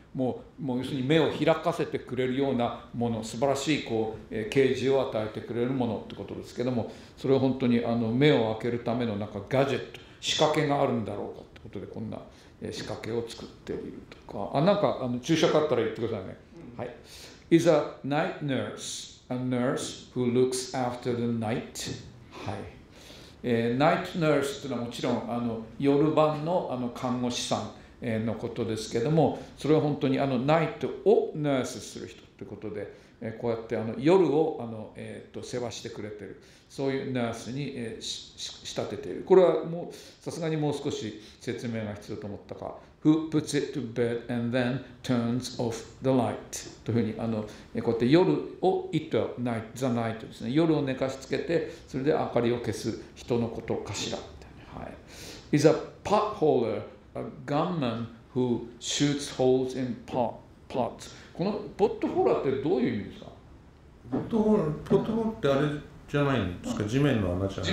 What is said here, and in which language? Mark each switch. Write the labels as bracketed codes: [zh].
[ja] もう要するに目を開かせてくれるようなもの、素晴らしいこう啓示を与えてくれるものってことですけども、それを本当に目を開けるためのなんかガジェット、仕掛けがあるんだろうかってことでこんな仕掛けを作っているとか、なんか注釈あったら言ってくださいね。はい。 [en] Is a night nurse a nurse who looks after the night? [ja] はい。ナイトナースというのはもちろん夜晩 の, 看護師さんのことですけれども、それは本当にナイトをナースする人ということで、こうやって夜を世話してくれている、そういうナースに仕立てている。これはもうさすがにもう少し説明が必要と思ったか。 [en] Who puts it to bed and then turns off the light [ja] というふうに、こうやって夜を [en] it the night, the night [ja] ですね、夜を寝かしつけてそれで明かりを消す人のことかしら、はい。 [en] Is a potholder a gunman who shoots holes in pots? [ja] このポットホールってどういう意味ですか？ポットホールってあれじゃないんですか？地面の穴じゃない？